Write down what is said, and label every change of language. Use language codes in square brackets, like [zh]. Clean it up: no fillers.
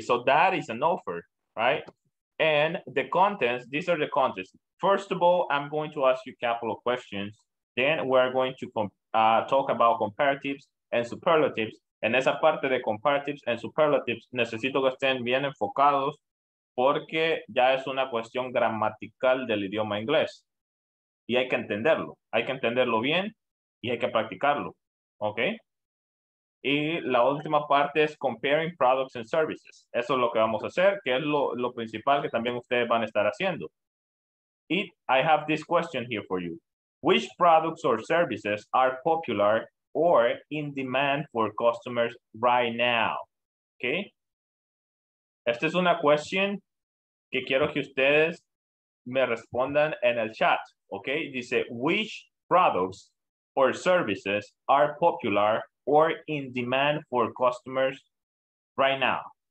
[en] So, that is an offer, right? And the contents, these are the contents. First of all, I'm going to ask you a couple of questions. Then, we're going to talk about comparatives and superlatives. [es] En esa parte de [en] comparatives and superlatives, [es] necesito que estén bien enfocados porque ya es una cuestión gramatical del idioma inglés. Y hay que entenderlo. Hay que entenderlo bien y hay que practicarlo. ¿Ok? Y la última parte es [en] comparing products and services. [es] Eso es lo que vamos a hacer, que es lo principal que también ustedes van a estar haciendo. [en] Y I have this question here for you. Which products or services are popular or in demand for customers right now? Okay. [es] Esta es una question que quiero que ustedes me respondan en el chat. [en] Okay. Dice, which products or services are popular or in demand for customers right now?